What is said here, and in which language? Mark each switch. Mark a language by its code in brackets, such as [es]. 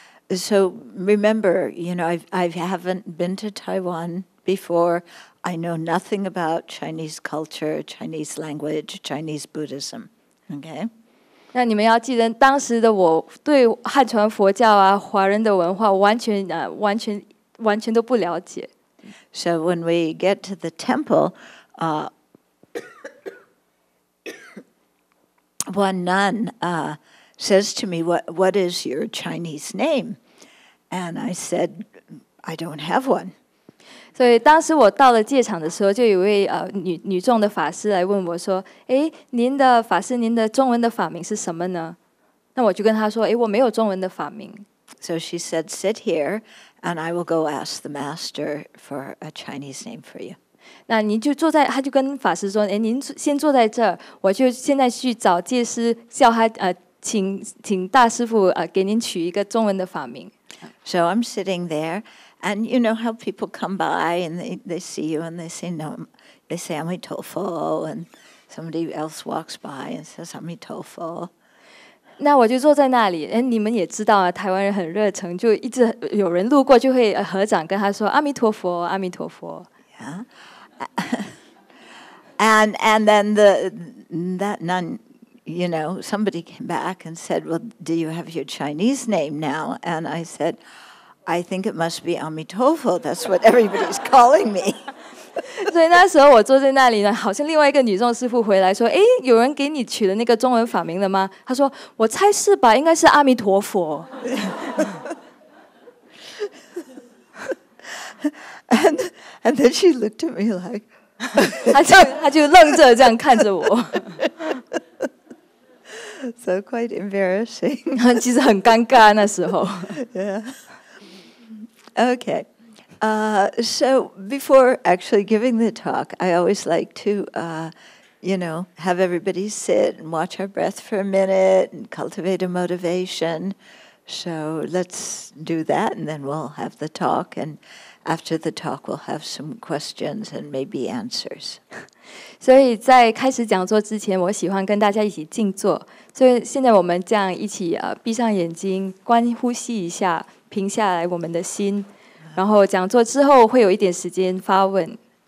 [en] So remember, you know, I haven't been to Taiwan before. I know nothing about Chinese culture, Chinese language, Chinese Buddhism. Okay. [zh] 那你们要记得，当时的我对汉传佛教啊、华人的文化完全都不了解。 [en] So when we get to the temple, one nun says to me, "What is your Chinese name?" And I said, "I don't have one." [zh] 所以当时我到了戒场的时候，就有一位女众的法师来问我说，诶，您的法师，您的中文的法名是什么呢？那我就跟她说，诶，我没有中文的法名。 [en] So she said, "Sit here, and I will go ask the master for a Chinese name for you." [zh] 那您就坐在，他就跟法师说，哎，您先坐在这儿，我就现在去找戒师，叫他请大师傅给您取一个中文的法名。 [en] So I'm sitting there, and you know how people come by and they see you and they say no, they say Amitofo, and somebody else walks by and says Amitofo. [zh] 那我就坐在那里，哎，你们也知道啊，台湾人很热诚，就一直有人路过就会合掌跟他说阿弥陀佛，阿弥陀佛。 [en] Yeah. And then that nun, you know, somebody came back and said, "Well, do you have your Chinese name now?" And I said, "I think it must be Amitofo. That's what everybody's calling me." [zh] 所以那时候我坐在那里呢，好像另外一个女众师傅回来说，诶，有人给你取了那个中文法名了吗？她说，我猜是吧，应该是阿弥陀佛。 [en] And then she looked at me like... [zh] 她就愣着这样看着我。 [en] So quite embarrassing. [zh] 其实很尴尬那时候。 [en] Yeah. Okay. So before actually giving the talk, I always like to, you know, have everybody sit and watch our breath for a minute and cultivate a motivation. So let's do that, and then we'll have the talk. And after the talk, we'll have some questions and maybe answers. [zh] 所以在开始讲座之前，我喜欢跟大家一起静坐。所以现在我们这样一起闭上眼睛，观呼吸一下，平下来我们的心。然后讲座之后会有一点时间发问。